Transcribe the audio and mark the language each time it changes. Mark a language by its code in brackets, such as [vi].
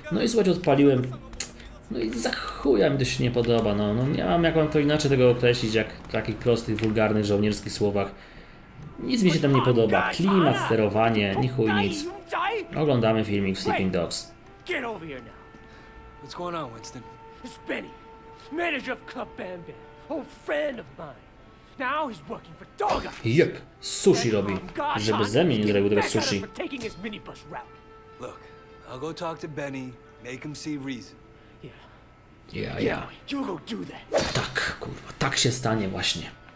[pl] No i słuchajcie, odpaliłem. No i za chuja mi to się nie podoba. No nie mam jak wam to inaczej tego określić, jak w takich prostych, wulgarnych, żołnierskich słowach. Nic mi się tam nie podoba. Klimat, sterowanie, ni chuj nic. Oglądamy filmik w Sleeping Dogs. [en] What's going on, Winston? It's Benny, manager of Club Bam Bam, old friend of mine. Now he's working for Dog Eyes. Yep, [pl] sushi robi, żeby ze mnie nie zrobił tego sushi. [en] Taking his minibus route. Look, I'll go talk to Benny, make him see reason. Yeah. You go do that. [pl] Tak, kurwa, tak się stanie właśnie.